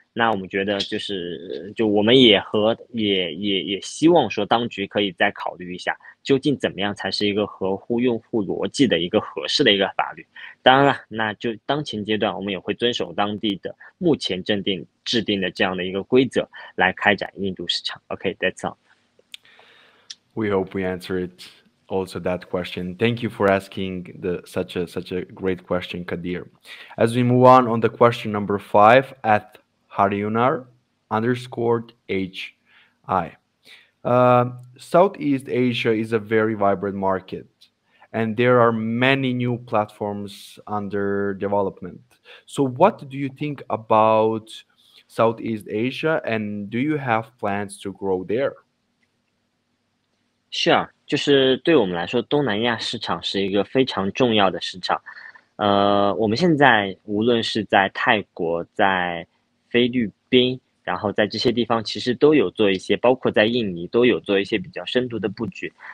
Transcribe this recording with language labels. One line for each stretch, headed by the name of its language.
Chinese: 那我们觉得就我们也希望说当局可以再考虑一下，究竟怎么样才是一个合乎用户逻辑的一个合适的一个法律。当然了，那就当前阶段，我们也会遵守当地的目前制定的这样的一个规则来开展印度市场。
English: OK，that's all。 We hope we answered also that question. Thank you for asking the such a great question, Kadir. As we move on the question number five at Harunar underscored HI. Southeast Asia is a very vibrant market, and there are many new platforms under development. So what do you think about Southeast Asia, and do you have plans to grow there?
Chinese: 是啊，就是对我们来说，东南亚市场是一个非常重要的市场。我们现在无论是在泰国、在菲律宾，然后在这些地方，其实都有做一些，包括在印尼都有做一些比较深度的布局。